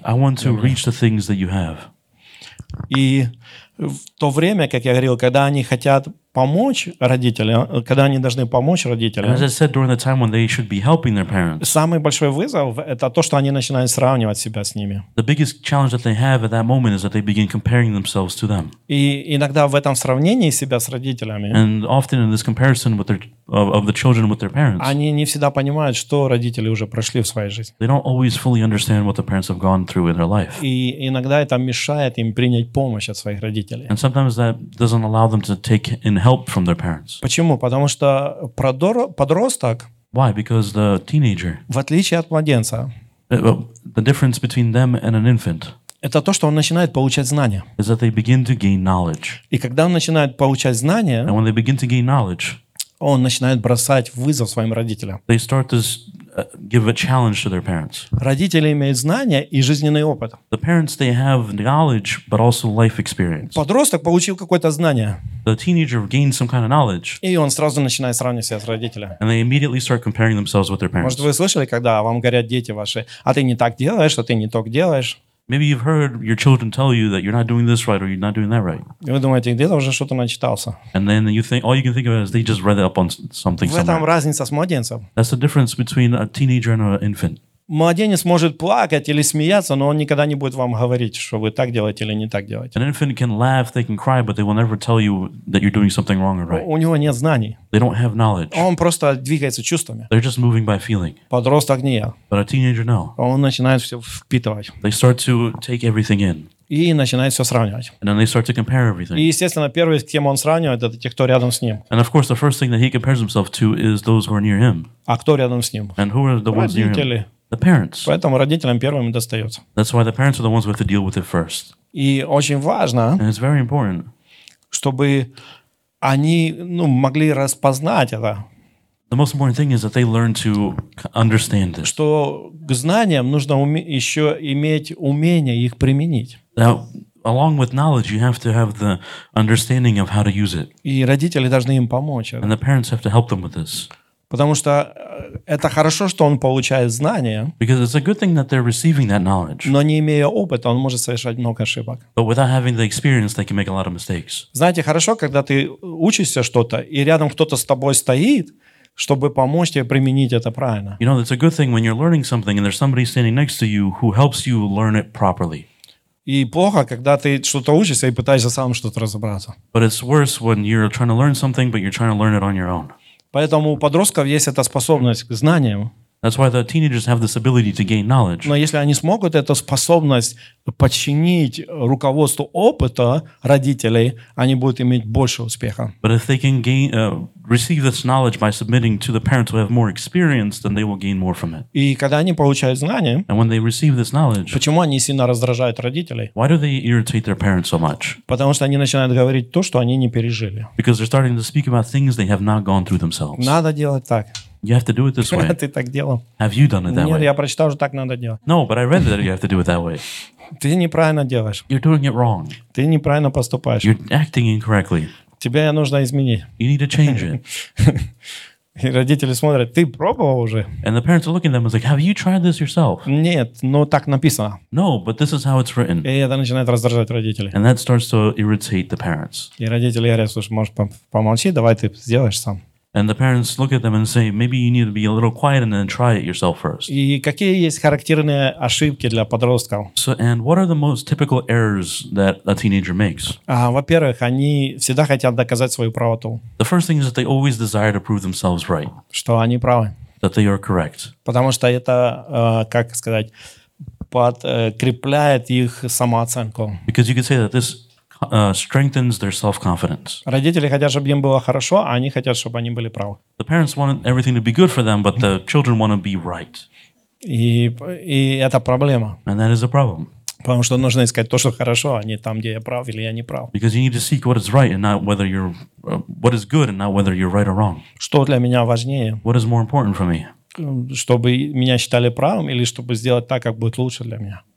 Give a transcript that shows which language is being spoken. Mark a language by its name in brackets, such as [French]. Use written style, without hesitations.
[English] I want to reach the things that you have. [Russian] И в то время, как я говорил, когда они хотят помочь родителям, когда они должны помочь родителям. [English] As I said, during the time when they should be helping their parents. [Russian] Самый большой вызов – это то, что они начинают сравнивать себя с ними. [English] The biggest challenge that they have at that moment is that they begin comparing themselves to them. [Russian] И иногда в этом сравнении себя с родителями. [English] And often in this comparison with their of the children with their parents. [Russian] Они не всегда понимают, что родители уже прошли в своей жизни. [English] They don't always fully understand what the parents have gone through in their life. [Russian] И иногда это мешает им принять помощь от своих родителей. [English] And sometimes that doesn't allow them to take in help from their parents. [Russian] Почему? Потому что подросток. [English] Why? Because the teenager. [Russian] В отличие от младенца. [English] The difference between them and an infant. [Russian] Это то, что он начинает получать знания. [English] Is that they begin to gain knowledge. [Russian] И когда он начинает получать знания. [English] And when they begin to gain knowledge. [Russian] Он начинает бросать вызов своим родителям. [English] They start to give a challenge to their parents. [Russian] Родители имеют знания и жизненный опыт. [English] The parents, they have knowledge, but also life experience. [Russian] Подросток получил какое-то знание. [English] The teenager gained some kind of knowledge. [Russian] И он сразу начинает сравнивать себя с родителями. [English] And they immediately start comparing themselves with their parents. [Russian] Может, вы слышали, когда вам говорят дети ваши, а ты не так делаешь, а ты не так делаешь. [English] Maybe you've heard your children tell you that you're not doing this right or you're not doing that right. [Russian] Вы думаете, где-то уже что-то начитался. [English] And then you think, all you can think of is they just read it up on something somewhere. [Russian] В этом разница с младенцем. [English] That's the difference between a teenager and an infant. [Russian] Младенец может плакать или смеяться, но он никогда не будет вам говорить, что вы так делаете или не так делаете. [English] An infant can laugh, they can cry, but they will never tell you that you're doing something wrong or right. [Russian] У него нет знаний. [English] They don't have knowledge. [Russian] Он просто двигается чувствами. [English] They're just moving by feeling. [Russian] Подросток не я. [English] But a teenager, no. [Russian] Он начинает все впитывать. [English] They start to take everything in. [Russian] И начинает все сравнивать. [English] And then they start to compare everything. [Russian] И, естественно, первый, с кем он сравнивает, это те, кто рядом с ним. [English] And of course, the first thing that he compares himself to is those who are near him. [Russian] А кто рядом с ним? [English] And who are the ones near him? The parents. [Russian] Поэтому родителям первыми достается. [English] That's why the parents are the ones who have to deal with it first. [Russian] И очень важно, [English] and it's very important, [Russian] чтобы они, ну, могли распознать это. [English] The most important thing is that they learn to understand this. [Russian] Что к знаниям нужно еще иметь умение их применить. [English] Now, along with knowledge, you have to have the understanding of how to use it. [Russian] И родители должны им помочь. [English] And the parents have to help them with this. [Russian] Потому что это хорошо, что он получает знания. [English] Because it's a good thing that they're receiving that knowledge. [Russian] Но не имея опыта, он может совершать много ошибок. [English] But without having the experience, they can make a lot of mistakes. [Russian] Знаете, хорошо, когда ты учишься что-то, и рядом кто-то с тобой стоит, чтобы помочь тебе применить это правильно. [English] You know, it's a good thing when you're learning something, and there's somebody standing next to you who helps you learn it properly. [Russian] И плохо, когда ты что-то учишься и пытаешься сам что-то разобраться. [English] But it's worse when you're trying to learn something, but you're trying to learn it on your own. [Russian] Поэтому у подростков есть эта способность к знаниям. [English] That's why the teenagers have this ability to gain knowledge. [Russian] Но если они смогут эту способность подчинить руководству опыта родителей, они будут иметь больше успеха. [English] But if they can gain, receive this knowledge by submitting to the parents who have more experience, then they will gain more from it. [Russian] И когда они получают знания, [English] and when they receive this knowledge, [Russian] почему они сильно раздражают родителей? [English] Why do they irritate their parents so much? [Russian] Потому что они начинают говорить то, что они не пережили. [English] Because they're starting to speak about things they have not gone through themselves. [Russian] Надо делать так. [English] You have to do it this way. [Russian] Ты так делал. [English] Have you done it that [Russian] Нет, [English] way? [Russian] Нет, я прочитал, что так надо делать. [English] No, but I read that you have to do it that way. [Russian] Ты неправильно делаешь. [English] You're doing it wrong. [Russian] Ты неправильно поступаешь. [English] You're acting incorrectly. [Russian] Тебя нужно изменить. [English] You need to change it. [Russian] И родители смотрят, ты пробовал уже? [English] And the parents are looking at them and like, have you tried this yourself? [Russian] Нет, но так написано. [English] No, but this is how it's written. [Russian] И это начинает раздражать родителей. [English] And that starts to irritate the parents. [Russian] И родители говорят, слушай, можешь помолчи, давай ты сделаешь сам. [English] And the parents look at them and say, maybe you need to be a little quiet and then try it yourself first. [Russian] И какие есть характерные ошибки для подростков? [English] So, and what are the most typical errors that a teenager makes? [Russian] Во-первых, они всегда хотят доказать свою правоту. [English] The first thing is that they always desire to prove themselves right. [Russian] Что они правы. [English] That they are correct. [Russian] Потому что это, как сказать, подкрепляет их самооценку. [English] Because you could say that this strengthens their self-confidence. [Russian] Родители хотят, чтобы им было хорошо, а они хотят, чтобы они были правы. [English] The parents want everything to be good for them, but the children want to be right. [Russian] И это проблема. [English] And that is a problem. [Russian] Потому что нужно искать то, что хорошо, а не там, где я прав или я не прав. [English] Because you need to seek what is right and not whether you're what is good and not whether you're right or wrong. [Russian] Что для меня важнее? [English] What is more important for me? [Russian] Чтобы меня считали правым или чтобы сделать так, как будет лучше для меня?